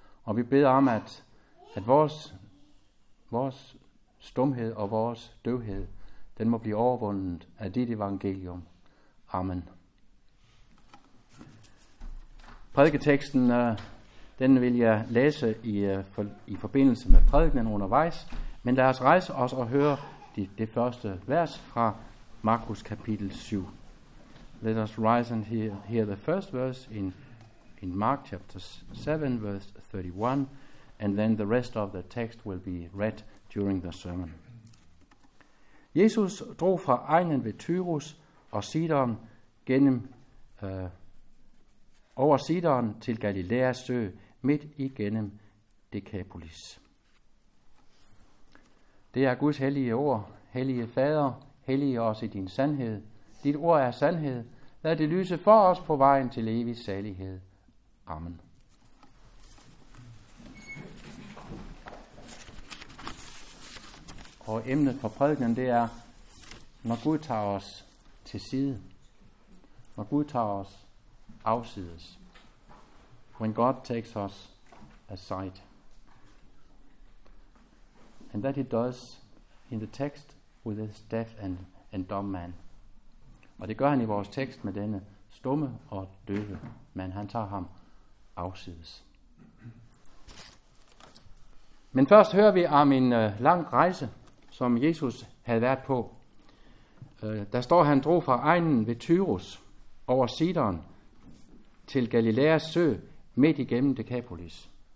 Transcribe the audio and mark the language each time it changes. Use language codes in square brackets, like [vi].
[da] Og vi beder om, at vores stumhed og vores døvhed, den må blive overvundet af dit evangelium. Amen. Prædiketeksten den vil jeg læse i forbindelse med prædikenen undervejs, men lad os rejse os og høre det første vers fra Markus kapitel 7. [en] Let us rise and hear the first verse in Mark chapter 7 verse 31, and then the rest of the text will be read during the sermon. [da] Jesus drog fra egnen ved Tyrus og Sidon gennem over Sidon til Galileas sø, midt igennem Dekapolis. Det er Guds hellige ord. Hellige Fader, hellige os i din sandhed. Dit ord er sandhed. Lad det lyse for os på vejen til evig salighed. Amen. Og emnet for prædiken, det er, når Gud tager os til side. Når Gud tager os afsides. [en] When God takes us aside. And that he does in the text with his deaf and dumb man. [da] Og det gør han i vores tekst med denne stumme og døve mand. Han tager ham afsides. Men først hører vi om en lang rejse, som Jesus havde været på. Der står, han drog fra egnen ved Tyrus over Sidon til Galileas sø midt igennem Dekapolis.